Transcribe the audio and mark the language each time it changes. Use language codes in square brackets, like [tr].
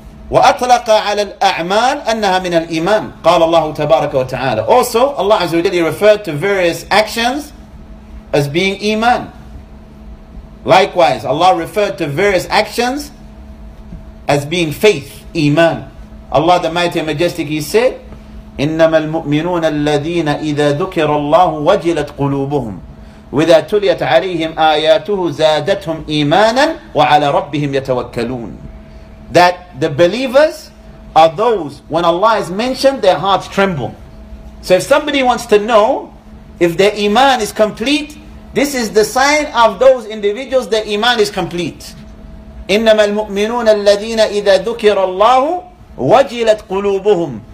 [ar] وَأَطْلَقَ عَلَى الْأَعْمَالِ أَنَّهَا مِنَ الْإِيمَانِ قَالَ اللَّهُ تَبَارَكَ وَتَعَالَى. [en] Also, Allah Azza wa Jalla referred to various actions as being iman. Likewise, Allah referred to various actions as being faith, iman. Allah the Mighty and Majestic, He said, [ar] إِنَّمَا الْمُؤْمِنُونَ الَّذِينَ إِذَا ذُكِرَ اللَّهُ وَجِلَتْ قُلُوبُهُمْ وَإِذَا تُلِيَتْ عَلَيْهِمْ آيَاتُهُ زَادَتْهُمْ إِيمَانًا وَعَلَى رَبِّهِمْ يَتَوَكَّلُونَ. [en] That the believers are those, when Allah is mentioned, their hearts tremble. So if somebody wants to know if their iman is complete, this is the sign of those individuals, their iman is complete. [ar] إِنَّمَا الْمُؤْمِنُونَ الَّذِينَ إِذَا ذُكِرَ اللَّهُ وَجِلَتْ قُلُوبُهُمْ.